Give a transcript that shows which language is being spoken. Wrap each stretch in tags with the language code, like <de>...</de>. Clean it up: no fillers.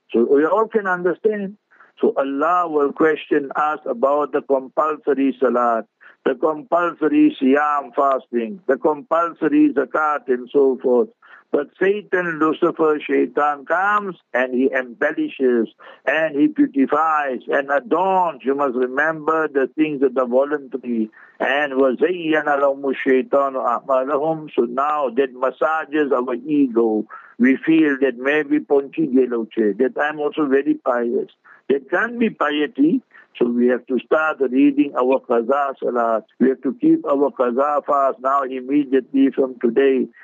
<en>So we all can understand. So Allah will question us about the compulsory salat, the compulsory siyam fasting, the compulsory zakat and so forth. But Satan, Lucifer, Shaitan comes and he embellishes and he beautifies and adorns. You must remember the things that are voluntary.</en> <ar>And وَزَيَّنَ لَهُمُ الشَّيْطَانُ أَعْمَالَهُمْ.</ar> <en>So now that massages our ego, we feel that maybe</en> <bn>ponchi geloche,</bn> <en>that I'm also very pious. There can be piety. So we have to start reading our qaza salat. We have to keep our qaza fast now immediately from today.</en>